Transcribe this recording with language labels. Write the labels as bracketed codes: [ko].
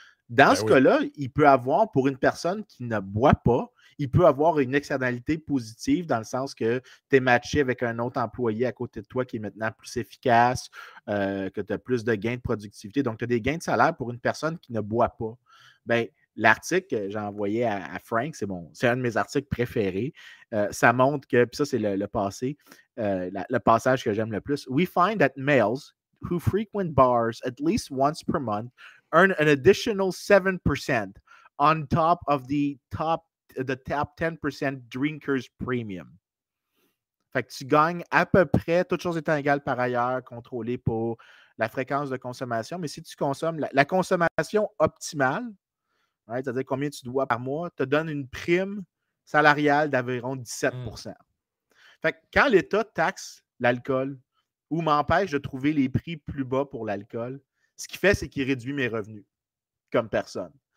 [fr] Dans ce cas-là, il peut avoir, pour une personne qui ne boit pas, il peut avoir une externalité positive dans le sens que tu es matché avec un autre employé à côté de toi qui est maintenant plus efficace, que tu as plus de gains de productivité. Donc, tu as des gains de salaire pour une personne qui ne boit pas. Bien, l'article que j'ai envoyé à Frank, c'est un de mes articles préférés. Ça montre que, puis ça, c'est le passage que j'aime le plus. [en] « We find that males who frequent bars at least once per month earn an additional 7% on top of the top 10% drinkers premium. » [fr] Fait que tu gagnes à peu près, toutes choses étant égales par ailleurs, contrôlé pour la fréquence de consommation. Mais si tu consommes la consommation optimale, right, c'est-à-dire combien tu dois par mois, te donne une prime salariale d'environ 17 %. Fait que quand l'État taxe l'alcool ou m'empêche de trouver les prix plus bas pour l'alcool, ce qu'il fait, c'est qu'il réduit mes revenus comme personne.